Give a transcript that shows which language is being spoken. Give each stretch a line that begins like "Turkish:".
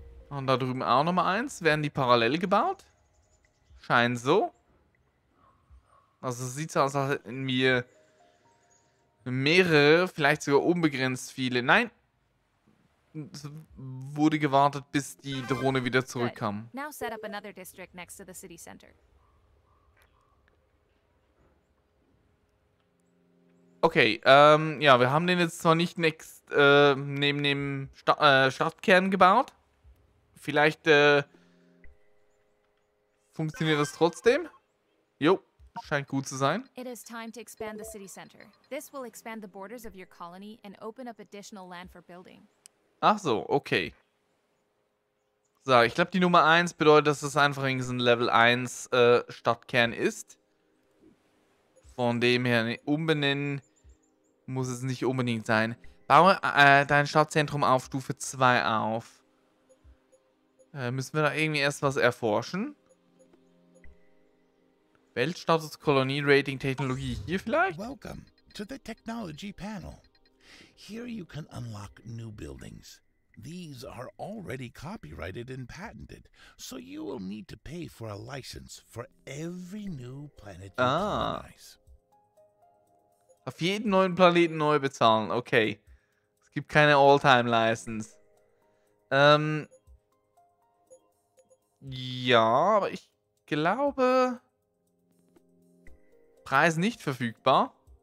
German: Und da drüben auch nochmal eins. Werden die parallel gebaut? Scheint so. Also sieht es aus, als hätten wir mehrere, vielleicht sogar unbegrenzt viele. Nein. Es wurde gewartet, bis die Drohne wieder zurückkam.
English: Now set up another district next to the city center.
German: Okay, ja, wir haben den jetzt zwar nicht next, neben dem Stadtkern gebaut. Vielleicht, funktioniert das trotzdem? Jo, scheint gut zu sein.
English: It is time to expand the city center. This will expand the borders of your colony and open up additional land for building.
German: Ach so, okay. So, ich glaube, die Nummer 1 bedeutet, dass das einfach irgendwie so ein Level 1 Stadtkern ist. Von dem her, umbenennen muss es nicht unbedingt sein. Baue dein Stadtzentrum auf Stufe 2 auf. Müssen wir da irgendwie erst was erforschen? Weltstatus, Kolonie, Rating, Technologie hier vielleicht?
English: Welcome to the technology panel. Here you can unlock new buildings. These are already copyrighted and patented, so you will need to pay for a license for every new planet you colonize.
German: Auf jeden neuen Planeten neu bezahlen, okay. Es gibt keine All-Time-License. Ja, aber ich glaube... Preis nicht verfügbar.